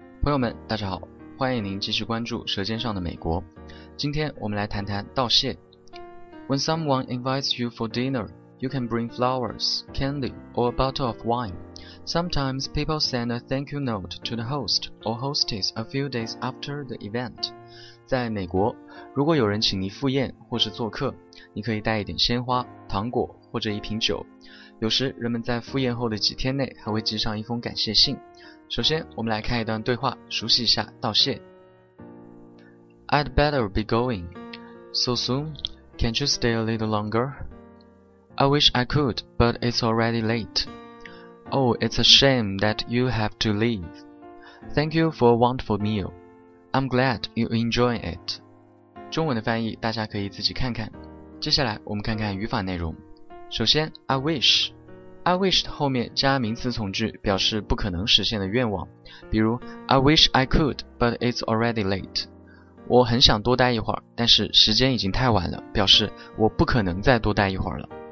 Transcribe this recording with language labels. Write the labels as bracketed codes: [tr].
[zh] 友们，大家好，欢迎您继续关注《舌尖上的美国》。今天我们来谈谈道谢。 [en] When someone invites you for dinner, you can bring flowers, candy, or a bottle of wine. Sometimes people send a thank you note to the host or hostess a few days after the event. [zh] 在美国，如果有人请你赴宴或是做客，你可以带一点鲜花、糖果或者一瓶酒。有时人们在赴宴后的几天内还会寄上一封感谢信。首先我们来看一段对话，熟悉一下道谢。 [en] I'd better be going. So soon? Can't you stay a little longer? I wish I could, but it's already late. Oh, it's a shame that you have to leave. Thank you for a wonderful meal. I'm glad you enjoy it. [zh] 中文的翻译大家可以自己看看。接下来我们看看语法内容。首先 I wish 后面加名词从句，表示不可能实现的愿望，比如 [en] I wish I could, but it's already late. [zh] 我很想多待一会儿，但是时间已经太晚了，表示我不可能再多待一会儿了。